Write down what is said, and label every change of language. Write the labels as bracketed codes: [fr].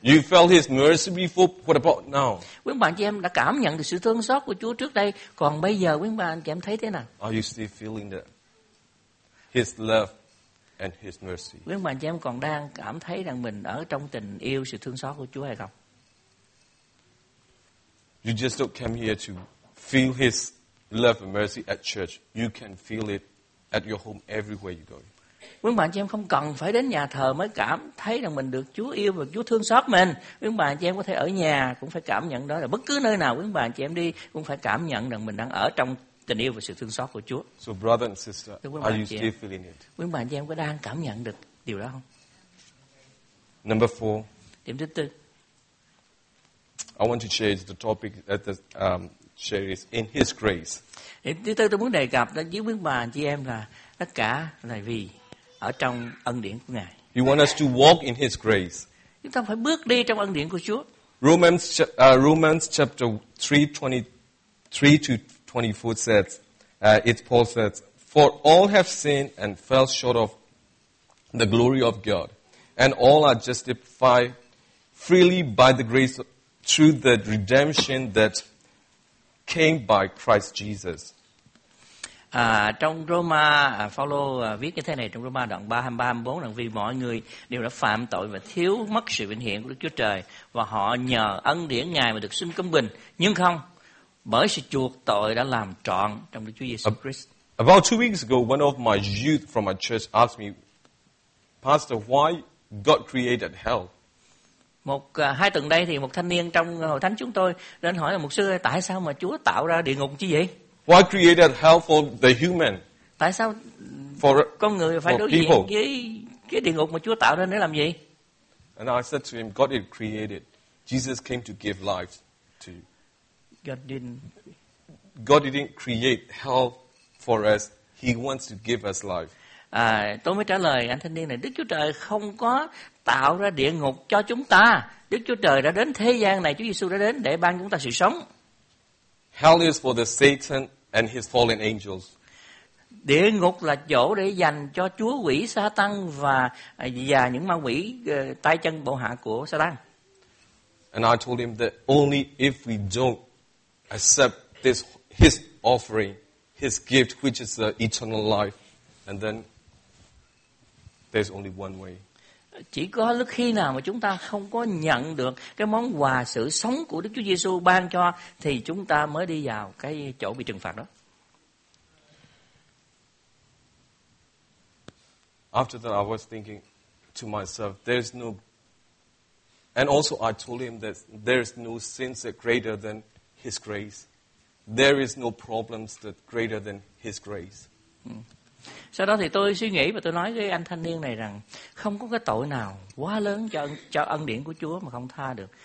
[en] You felt his mercy before, what about now? [vi] Quý bà anh chị em đã cảm nhận được sự thương xót của Chúa trước đây, còn bây giờ quý bà anh chị em thấy thế nào? [en] Are you still feeling that his love and his mercy? [vi] Quý bà anh chị em còn đang cảm thấy rằng mình ở trong tình yêu, sự thương xót của Chúa hay không? [en] You just don't come here to feel his love and mercy at church. You can feel it at your home everywhere you go. [vi] Quý bạn chị em không cần phải đến nhà thờ mới cảm thấy rằng mình được Chúa yêu và Chúa thương xót mình. Quý bạn chị em có thể ở nhà cũng phải cảm nhận đó, là bất cứ nơi nào quý bạn chị em đi cũng phải cảm nhận rằng mình đang ở trong tình yêu và sự thương xót của Chúa. [en] So brother and sister, are you still feeling it? [vi] Quý bạn chị em có đang cảm nhận được điều đó không? [en] Number four. [vi] Điểm thứ tư. [en] I want to change the topic at the share is in his grace. [vi] Thứ tư tôi muốn đề cập đến với quý bà chị em là tất cả là vì ở trong ân điển của Ngài. [en] He wants us to walk in his grace. [vi] Chúng ta phải bước đi trong ân điển của Chúa. [en] Romans chapter 3:23-24 says, it Paul says, for all have sinned and fell short of the glory of God, and all are justified freely by the grace through the redemption that came by Christ Jesus. [vi] Trong Roma, Phaolô viết như thế này trong Roma đoạn 3:23-24 rằng vì mọi người đều đã phạm tội và thiếu mất sự vinh hiển của Đức Chúa Trời, và họ nhờ ân điển Ngài mà được xin công bình, nhưng không bởi sự chuộc tội đã làm trọn trong Đức Chúa Giêsu Christ. [en] About 2 weeks ago, one of my youth from my church asked me, Pastor, why God created hell? [vi] Một hai tuần đây thì một thanh niên trong hội thánh chúng tôi đến hỏi là mục sư, tại sao mà Chúa tạo ra địa ngục chứ vậy? [en] Why created hell for the human? [vi] Tại sao for, con người phải đối diện với cái địa ngục mà Chúa tạo ra để làm gì? [en] And I said to him, God didn't create it. Jesus came to give life to you. God didn't create hell for us. He wants to give us life. [vi] Tôi mới trả lời anh thanh niên này, Đức Chúa Trời không có tạo ra địa ngục cho chúng ta. Đức Chúa Trời đã đến thế gian này, Chúa Giêsu đã đến để ban chúng ta sự sống. [en] Hell is for the Satan and his fallen angels. [vi] Địa ngục là chỗ để dành cho chúa quỷ Satan và những ma quỷ tay chân bộ hạ của Satan. [en] And I told him that only if we don't accept this his offering, his gift, which is the eternal life, and then there's only one way. [vi] Chỉ có lúc khi nào mà chúng ta không có nhận được cái món quà sự sống của Đức Chúa Giêsu ban cho thì chúng ta mới đi vào cái chỗ bị trừng phạt đó. [en] After that, I was thinking to myself, there's no, and also I told him that there's no sins that greater than his grace. There is no problems that greater than his grace. [vi] Sau đó thì tôi suy nghĩ và tôi nói với anh thanh niên này rằng không có cái tội nào quá lớn cho ân điển của Chúa mà không tha được.